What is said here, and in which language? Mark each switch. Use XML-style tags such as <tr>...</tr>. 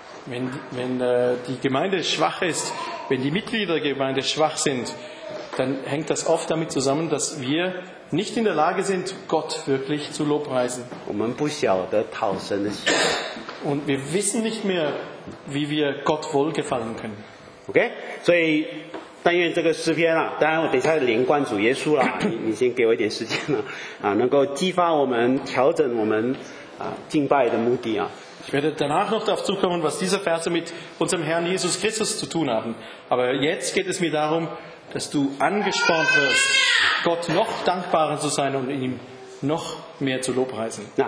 <de>Wenn die Gemeinde schwach ist, wenn die Mitglieder der Gemeinde schwach sind, dann hängt das oft damit zusammen, dass wir nicht in der Lage sind, Gott wirklich zu lobpreisen. Und wir wissen nicht mehr, wie wir Gott wohlgefallen können.</de> <en>Okay?</en> <zh>所以但愿这个诗篇啊，当然我等一下连贯主耶稣了，你先给我一点时间了，啊，能够激发我们调整我们敬拜的目的啊。</zh> <de>Ich werde danach noch dazu kommen, was diese Verse mit unserem Herrn Jesus Christus zu tun haben. Aber jetzt geht es mir darum, dass du angespornt wirst, Gott noch dankbarer zu sein und ihm noch mehr zu lobpreisen.</de>